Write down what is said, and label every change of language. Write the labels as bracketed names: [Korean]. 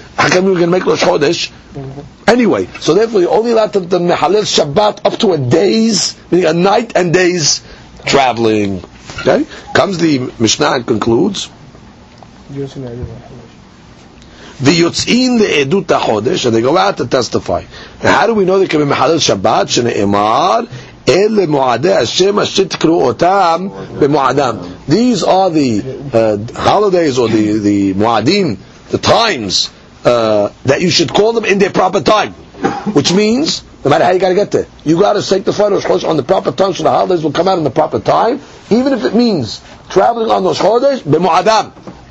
[English] How come you're going to make Rosh Chodesh? Anyway, so therefore you only allowed the Mehalel Shabbat up to a day's, meaning a night and day's traveling. Okay? Comes the Mishnah and concludes. The Yotzin the Edut HaChodesh, and they go out to testify. Now how do we know they can be Mehalel Shabbat? Shene Emar, [Hebrew] אלה מועדי השם אשר תקראו אותם במועדם. [English] These are the holidays or the מועדים, the times that you should call them in their proper time, which means no matter how you got to get there, you got to sanctify Rosh Chodesh on the proper time, so the holidays will come out in the proper time, even if it means traveling on those holidays במועדם.